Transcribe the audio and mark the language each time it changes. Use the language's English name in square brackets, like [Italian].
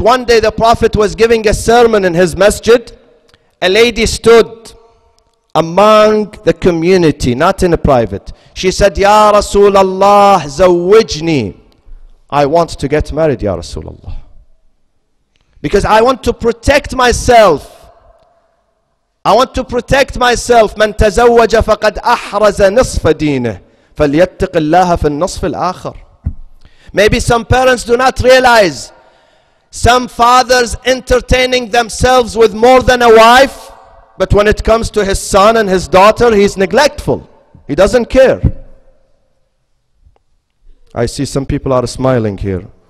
[English] One day the Prophet was giving a sermon in his masjid. A lady stood among the community, not in a private. She said, Ya Rasulallah, zawijni. I want to get married, Ya Rasulallah. Because I want to protect myself. I want to protect myself. [Arabic] من تزوج فقد أحرز نصف دينه فليتق الله في النصف الآخر. [English] Maybe some parents do not realize some fathers entertaining themselves with more than a wife, but when it comes to his son and his daughter, he's neglectful. He doesn't care. I see some people are smiling here.